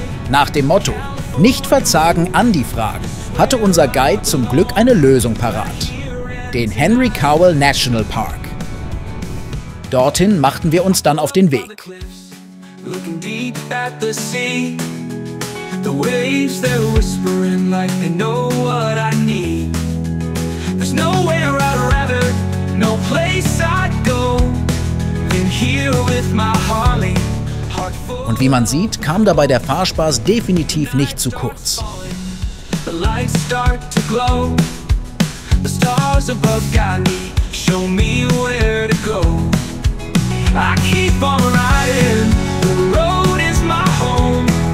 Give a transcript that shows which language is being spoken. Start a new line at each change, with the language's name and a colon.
German: Nach dem Motto, nicht verzagen, Andy fragen, hatte unser Guide zum Glück eine Lösung parat. Den Henry Cowell National Park. Dorthin machten wir uns dann auf den Weg.
English: Looking deep at the sea, the waves they're whispering like they know what I need. There's nowhere I'd rather, no place I'd go than here with my Harley.
German: Und wie man sieht, kam dabei der Fahrspaß definitiv nicht zu kurz.
English: The lights start to glow, the stars above guide me, show me where to go. I keep on riding, the road is my home.